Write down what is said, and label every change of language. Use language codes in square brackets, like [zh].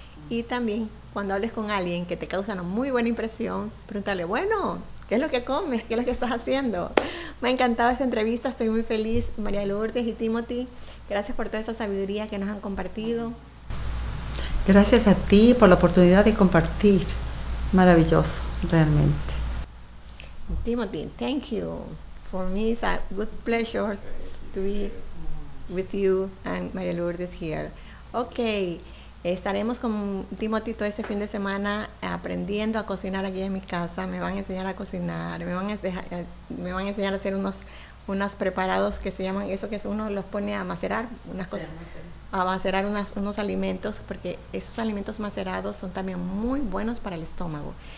[es] Y también, cuando hables con alguien que te causa una muy buena impresión, pregúntale, bueno, ¿qué es lo que comes? ¿Qué es lo que estás haciendo? Me ha encantado esta entrevista, estoy muy feliz. María Lourdes y Timothy, gracias por toda esa sabiduría que nos han compartido. Gracias a ti por la oportunidad de compartir. Maravilloso, realmente. [en] Timothy, thank you. For me, it's a good pleasure to be with you and María Lourdes here. Okay. [es] Estaremos con Timothy todo este fin de semana aprendiendo a cocinar aquí en mi casa. Me van a enseñar a cocinar, me van a enseñar a hacer unos preparados que se llaman, eso que es uno los pone a macerar, unas cosas, a macerar unos alimentos, porque esos alimentos macerados son también muy buenos para el estómago.